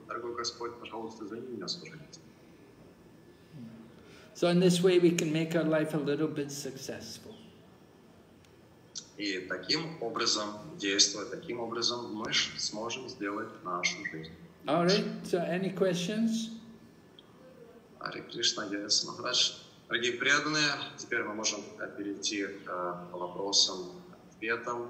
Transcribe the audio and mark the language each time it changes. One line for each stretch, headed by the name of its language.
Russian: Дорогой Господь, пожалуйста, займи меня служением.
English: So in this way we can make our life a little bit successful.
Russian: И таким образом, действуя таким образом, мы сможем сделать нашу жизнь.
English: All right. So any questions? Hare Krishna, yes, Maharaj.
Russian: Дорогие преданные, теперь мы можем перейти к вопросам, ответам.